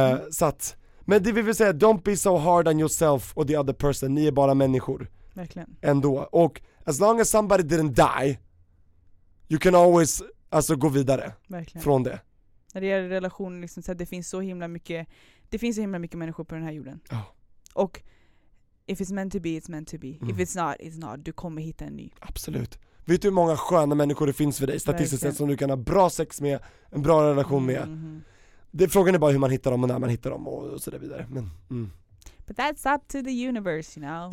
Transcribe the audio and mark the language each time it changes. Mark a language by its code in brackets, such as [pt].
[sv] Så att. Men det vi vill säga, [en] don't be so hard on yourself or the other person. [sv] Ni är bara människor. Verkligen. Ändå. Och [en] as long as somebody didn't die, you can always, [sv] alltså, gå vidare. Verkligen. Från det. När det gäller relationer, liksom, det finns så himla mycket, det finns så himla mycket människor på den här jorden. Oh. Och [en] if it's meant to be, it's meant to be. [sv] Mm. [en] If it's not, it's not. [sv] Du kommer hitta en ny. Absolut. Vet du hur många sköna människor det finns för dig statistiskt sett som du kan ha bra sex med, en bra relation med? Mm-hmm. Det, frågan är bara hur man hittar dem och när man hittar dem och så där vidare. Men, mm. [en] But that's up to the universe, you know.